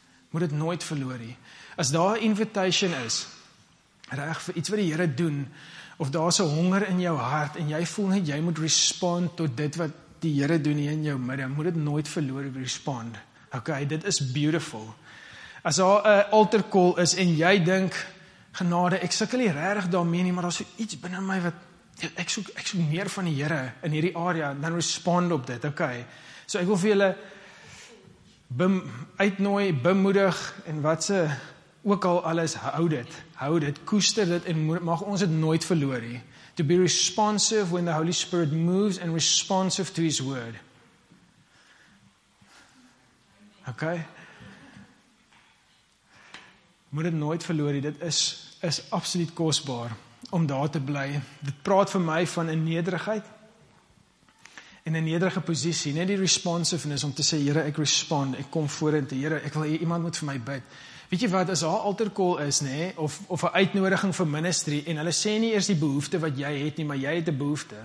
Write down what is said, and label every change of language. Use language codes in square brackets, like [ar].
[af] Moet dit nooit verloor nie. As daar 'n invitation is, reg vir iets wat die Here doen, of daar is 'n honger in jou hart, en jy voel net jy moet respond tot dit wat die Here doen hier in jou midde, moet dit nooit verloor nie, respond. Okay, dit is beautiful. As daar 'n altar call is, en jy dink, genade, ek sukkel nie regtig daarmee nie, maar daar is so iets binne my wat ek soek meer van die Here in hierdie area, dan respond op dit, okay. So ek wil vir julle uitnooi, bemoedig, en wat se ook al alles, hou dit, koester dit, en mag ons het nooit verloor nie. [en] To be responsive when the Holy Spirit moves, and responsive to His Word. Okay? [af] Moet het nooit verloor nie, dit is absoluut kostbaar, om daar te bly. Dit praat vir my van 'n nederigheid, in 'n nederige posisie, net die responsiveness om te sê, Here, ek respond, ek kom vorentoe, Here, ek wil iemand moet vir my bid. Weet jy wat, as haar altar call is, nee, of 'n uitnodiging vir ministry, en hulle sê nie eers die behoefte wat jy het nie, maar jy het 'n behoefte.